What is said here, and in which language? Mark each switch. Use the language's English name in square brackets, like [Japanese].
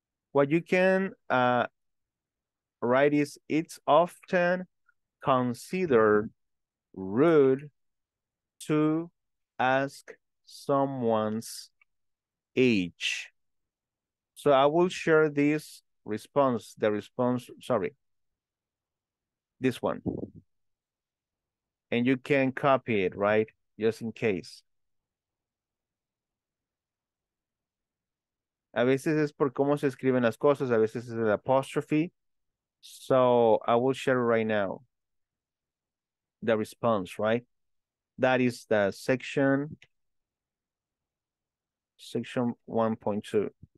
[English] What you can write is, it's often considered rude to ask someone's age. So I will share this response, this one. And you can copy it, right? just in case. [Spanish] A veces es por cómo se escriben las cosas, a veces es el apostrophe. [English] So I will share right now the response, right? That is the section 1.2.